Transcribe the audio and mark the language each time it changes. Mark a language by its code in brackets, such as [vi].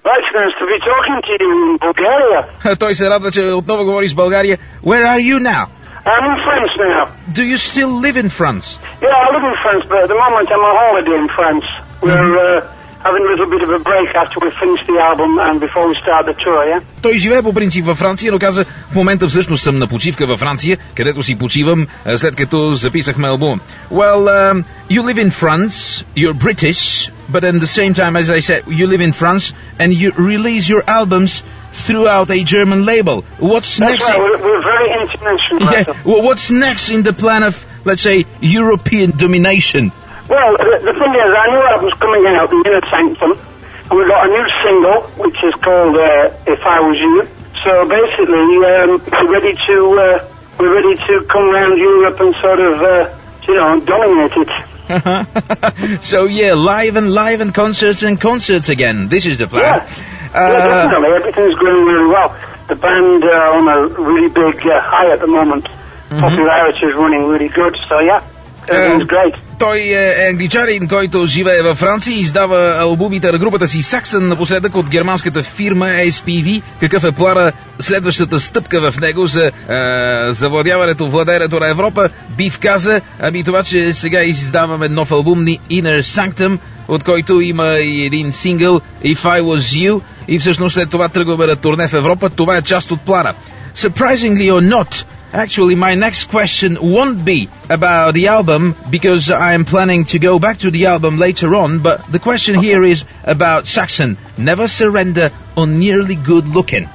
[en] It's nice to be talking to you in Bulgaria. [bg] Toj se rado če odnovo govoriš Bulgarija. [en] Where are you now? I'm in France now. Do you still live in France? Yeah, I live in France, but at the moment I'm on holiday in France. We're having a little bit of a break after we finish the album and before we start the tour, yeah? [bg] Той живее по принцип във Франция, но каза, в момента всъщност съм на почивка във Франция, където си почивам след като записахме албум. [en] Well, you live in France, you're British, but at the same time, as I said, you live in France and you release your albums throughout a German label. What's next in the plan of, let's say, European domination? Well, the thing is, our new album's coming out, The Inner Sanctum, and we've got a new single, which is called If I Was You. So basically, we're ready to come round Europe and sort of, dominate it. So yeah, live and concerts again. This is the plan. Yeah, definitely. Everything's going really well. The band are on a really big high at the moment. Mm-hmm. Popularity is running really good, so yeah. [bg] Той е англичарин, който живее във Франция и издава албумите на групата си Саксън напоследък от германската фирма SPV. Какъв е плана, следващата стъпка в него за завладяването, владеенето на Европа? Бив каза, това, че сега издаваме нов албум, The Inner Sanctum, от който има и един сингъл, If I Was You, и всъщност след това тръгваме на турне в Европа. Това е част от плана. [en] Surprisingly or not, actually, my next question won't be about the album, because I am planning to go back to the album later on, but the question here is about Saxon, Never Surrender or Nearly Good Looking.